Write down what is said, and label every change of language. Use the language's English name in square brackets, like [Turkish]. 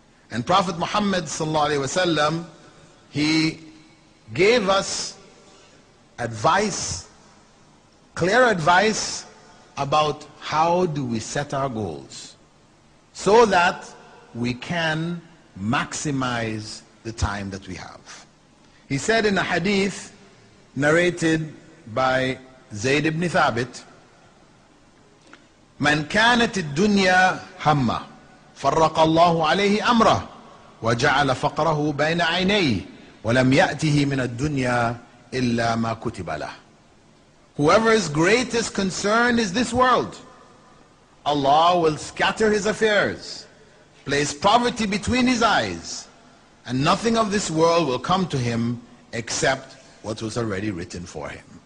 [English] And Prophet Muhammad sallallahu alaihi wasallam, he gave us advice, clear advice about how do we set our goals so that we can maximize the time that we have. He said in a hadith narrated by Zayd ibn Thabit, [Arabic] من كانت الدنيا همّا فرق الله عليه أمره وجعل فقره بين عينيه ولم يأته من الدنيا إلا ما كتب له. [English] Whoever's greatest concern is this world, Allah will scatter his affairs, place poverty between his eyes, and nothing of this world will come to him except what was already written for him.